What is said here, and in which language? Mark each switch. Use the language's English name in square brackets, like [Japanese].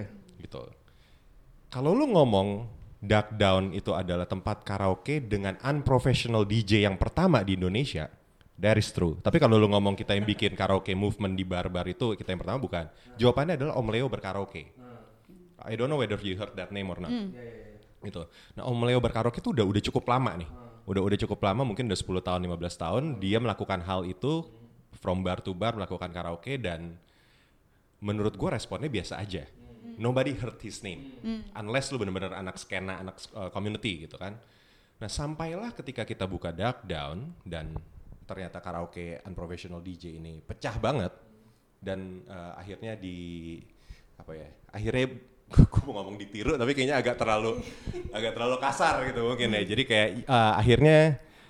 [Indonesian] Okay. Gitu. Kalau lu ngomong Duck Down itu adalah tempat karaoke dengan unprofessional DJ yang pertama di Indonesia, [English] that is true. [Indonesian] Tapi kalau lu ngomong kita yang bikin karaoke movement di bar-bar itu, kita yang pertama bukan. Jawabannya adalah Om Leo Berkaraoke. [English] I don't know whether you heard that name or not. [Indonesian] Gitu. Nah, Om Leo Berkaraoke itu udah cukup lama nih. Udah cukup lama, mungkin udah 10 tahun, 15 tahun. Dia melakukan hal itu [English] from bar to bar, [Indonesian] melakukan karaoke. Dan menurut gue responnya biasa aja. [English] Nobody heard his name. [Indonesian] Unless lu benar-benar anak skena, anak community gitu kan. Nah, sampailah ketika kita buka Duck Down dan ternyata karaoke unprofessional DJ ini pecah banget dan akhirnya di apa ya, akhirnya gue mau ngomong ditiru tapi kayaknya agak terlalu kasar gitu mungkin ya. Jadi kayak akhirnya